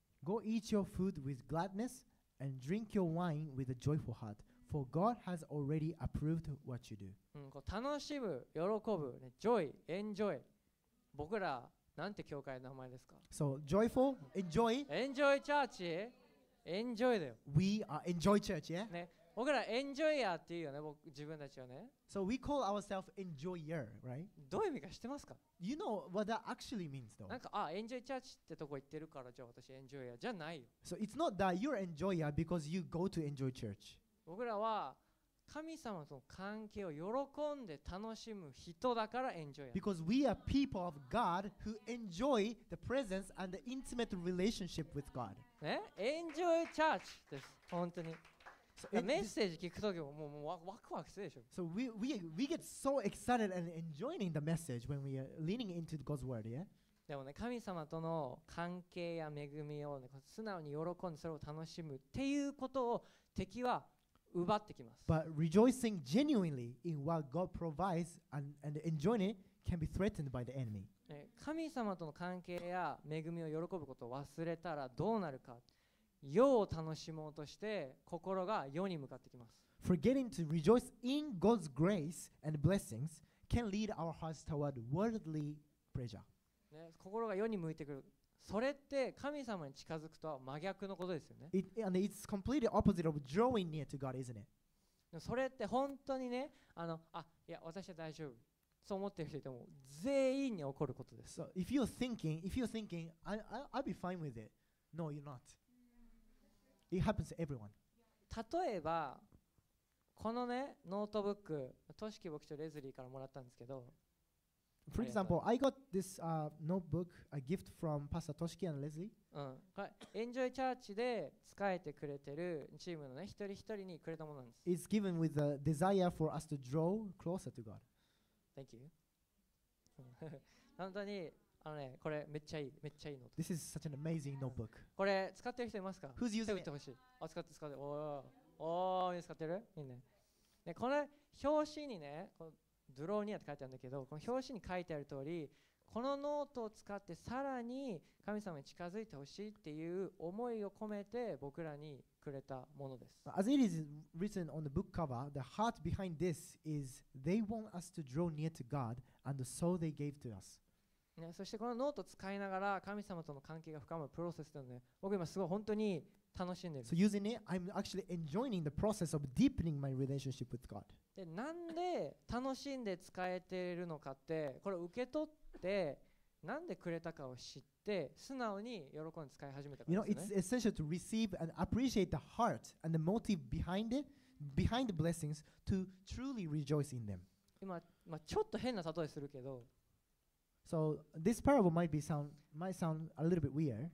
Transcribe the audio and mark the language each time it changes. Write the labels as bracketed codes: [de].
[en] Go eat your food with gladness and drink your wine with a joyful heart For God has already approved what you do. [ja] 楽しむ、喜ぶ、ね、joy、enjoy。僕らなんて教会の名前ですか。 [en] So joyful, enjoy, enjoy church, enjoy [ja] だよ。 [en] We are enjoy church, yeah? [ja] ね、僕ら enjoyer っていうよね、僕自分たちはね。 [en] So we call ourselves enjoyer, right? [ja] どういう意味か知ってますか。 [en] You know what that actually means, though. [ja] なんかあ、enjoy church ってとこ行ってるからじゃあ私 enjoyer じゃないよ。 [en] So it's not that you're enjoyer because you go to enjoy church. [ja] 僕らは神様との関係を喜んで楽しむ人だからエンジョイ。 [en] Because we are people of God who enjoy the presence and the intimate relationship with God. [ja] ね、エンジョイチャーチです。本当に。So、メッセージ聞くときももうワクワクするでしょ。 [en] So we get so excited and enjoying the message when we are leaning into God's word, yeah? [ja] でもね、神様との関係や恵みを、ね、素直に喜んでそれを楽しむっていうことを敵は奪ってきます。 [en] But rejoicing genuinely in what God provides and enjoying it can be threatened by the enemy. [ja] 神様との関係や恵みを喜ぶことを忘れたらどうなるか。世を楽しもうとして心が世に向かってきます。 [en] Forgetting to rejoice in God's grace and blessings can lead our hearts toward worldly pleasure. [ja] 心が世に向いてくる。それって神様に近づくとは真逆のことですよね。 [en] It's completely opposite of drawing near to God, isn't it? [ja] それって本当にね、いや、私は大丈夫。そう思ってる人でも全員に起こることです。 [en] So if you're thinking, I'll be fine with it. No, you're not. It happens to everyone. [ja] 例えば、このね、ノートブック、トシキ牧師とレズリーからもらったんですけど、 [en] For example, I got this notebook, a gift from Pastor Toshiki and Leslie. [ja] Enjoy Church で使えてくれてるチームのね、一人一人にくれたものなんです。 [en] It's given with the desire for us to draw closer to God. Thank you. [ja] 本当にあのね、これめっちゃいい、めっちゃいいノート。 [en] This is such an amazing notebook. [ja] これ使ってる人いますか？ [en] Who's using it? [ja] 使ってる、おお、おお、使ってる？いいね。で、この表紙にね、ドローニアって書いてあるんだけど、この表紙に書いてある通り、このノートを使ってさらに神様に近づいてほしいっていう思いを込めて僕らにくれたものです。 [en] As it is written on the book cover, the heart behind this is they want us to draw near to God and so they gave to us. [ja] ね、そしてこのノートを使いながら神様との関係が深まるプロセスなので、僕今すごい本当に楽しんでる。 [en] So using it, I'm actually enjoying the process of deepening my relationship with God. [ja] で、なんで楽しんで使えてるのかって、これ受け取って、なんでくれたかを知って、素直に喜んで使い始めたからですね。 [en] You know, it's essential to receive and appreciate the heart and the motive behind it, behind the blessings, to truly rejoice in them. [ja] 今ちょっと変な例えするけど、 [en] So this parable might sound a little bit weird.